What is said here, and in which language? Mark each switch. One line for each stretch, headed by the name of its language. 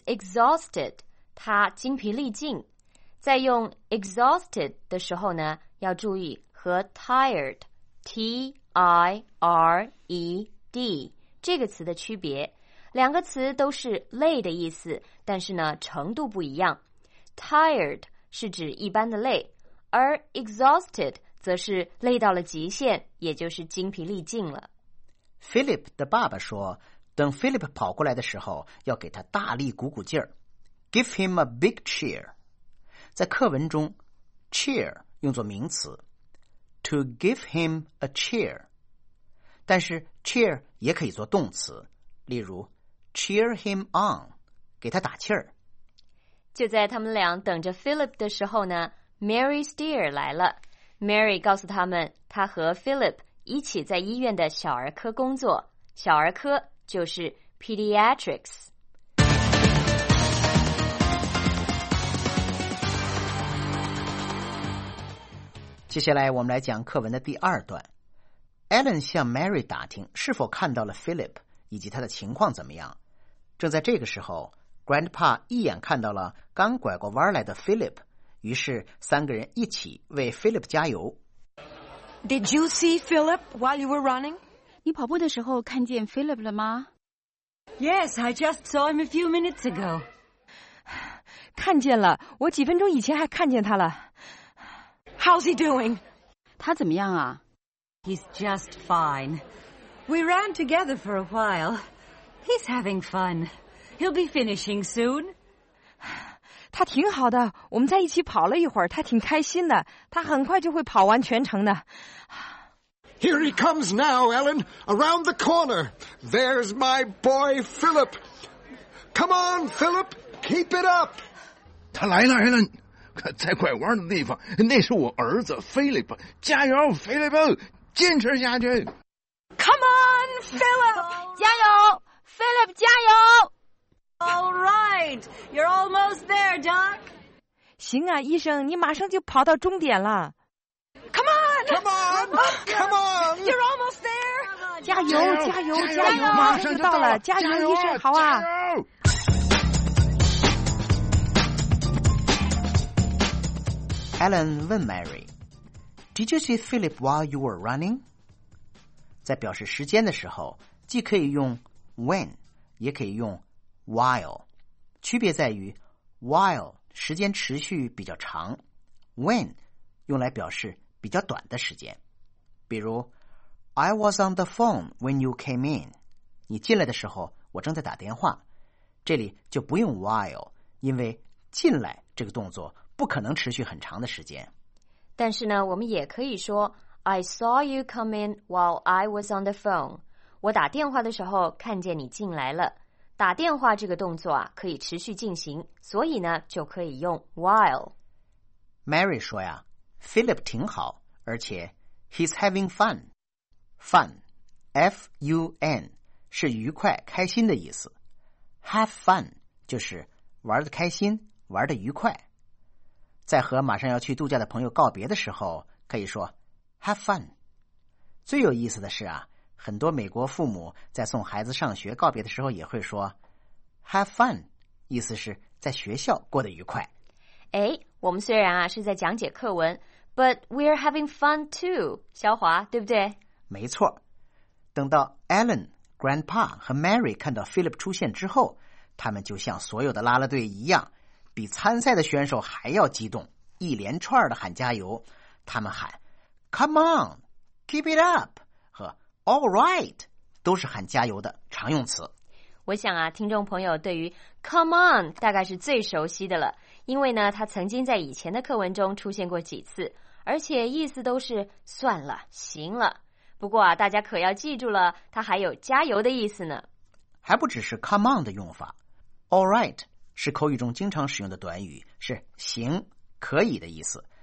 Chinese: exhausted， 他精疲力尽。在用 exhausted 的时候呢， 要注意 和 tired, T-I-R-E-D 这个词的区别，两个词都是累的意思，但是呢程度不一样。Tired 是指一般的累，而 exhausted 则是累到了极限，也就是精疲力尽了。Philip 的爸爸说，等 Philip 跑过来的时候，要给他大力鼓鼓劲儿。
English: Give him a big cheer.
Chinese: 在课文中， cheer 用作名词，
English: To give him a cheer.
Chinese: 但是 cheer 也可以做动词， 例如
English: cheer him on，
Chinese: 给他打气儿。就在他们俩等着 Philip 的时候呢， Mary Steer 来了。Mary 告诉他们， 她和 Philip 一起在医院的小儿科工作。小儿科就是 pediatrics。接下来我们来讲课文的第二段。Alan 向 Mary 打听是否看到了 Philip 以及他的情况怎么样。正在这个时候， Grandpa 一眼看到了刚拐过弯来的 Philip， 于是三个人一起为 Philip 加油。
English: Did you see Philip while you were running?
Chinese: 你跑步的时候看见 Philip 了吗？
English: Yes, I just saw him a few minutes ago.
Chinese: 看见了，我几分钟以前还看见他了。
English: How's he doing?
Chinese: 他怎么样啊？
English: He's just fine. We ran together for a while. He's having fun. He'll be finishing soon.
Chinese: 他挺好的，我们在一起跑了一会儿，他挺开心的，他很快就会跑完全程的。
English: Here he comes now, Ellen, around the corner. There's my boy, Philip. Come on, Philip, keep it up.
Chinese: 他来了， Ellen， 在拐弯的地方，那是我儿子 Philip， 加油 Philip， 坚持下去。
English: Come on, Philip,
Chinese: 加油 Philip， 加油。
English: All right, you're almost there, Doc.
Chinese: 行啊，医生，你马上就跑到终点了。
English: Come on! You're almost there!
Chinese: 加油加油加油，马上就到了，加油医生，好啊。 Alan 问 Mary,
English: Did you see Philip while you were running?
Chinese: 在表示时间的时候，既可以用 when, 也可以用 while。区别在于 while 时间持续比较长， when 用来表示比较短的时间。比如
English: I was on the phone when you came in，
Chinese: 你进来的时候我正在打电话。这里就不用 while， 因为进来这个动作不可能持续很长的时间。但是呢，我们也可以说
English: I saw you come in while I was on the phone，
Chinese: 我打电话的时候看见你进来了。打电话这个动作啊，可以持续进行，所以呢就可以用 while。 Mary 说呀， Philip 挺好，而且
English: He's having fun.
Chinese: Fun, F-U-N, 是愉快、开心的意思。 Have fun, 就是玩得开心、玩得愉快。在和马上要去度假的朋友告别的时候，可以说
English: Have fun.
Chinese: 最有意思的是啊，很多美国父母在送孩子上学告别的时候也会说
English: Have fun,
Chinese: 意思是在学校过得愉快。哎，我们虽然啊是在讲解课文，
English: But we're having fun too,
Chinese: 小华，对不对？没错。等到 Alan, Grandpa 和 Mary 看到 Philip 出现之后，他们就像所有的啦啦队一样，比参赛的选手还要激动，一连串的喊加油。他们喊
English: Come on, keep it up
Chinese: 和 All right 都是喊加油的常用词。我想啊，听众朋友对于 Come on 大概是最熟悉的了，因为呢，他曾经在以前的课文中出现过几次，而且意思都是算了，行了。不过啊，大家可要记住了，他还有加油的意思呢。还不只是 come on 的用法， all right 是口语中经常使用的短语，是行、可以的意思。